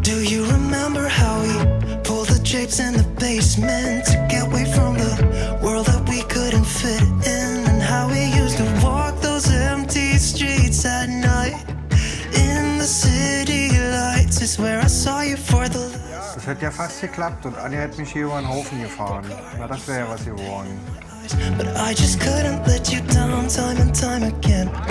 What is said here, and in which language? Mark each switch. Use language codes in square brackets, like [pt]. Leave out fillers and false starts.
[en] Do you remember how we pulled the japes in the basement to get away from the world that we couldn't fit in? And how we used to walk those empty streets at night in the city lights is where I saw you for the last. [de] Das hätte ja fast geklappt und Anja hätte mich hier über den Haufen gefahren. Na, das wäre ja was geworden. [en] But I just couldn't let you down time and time again.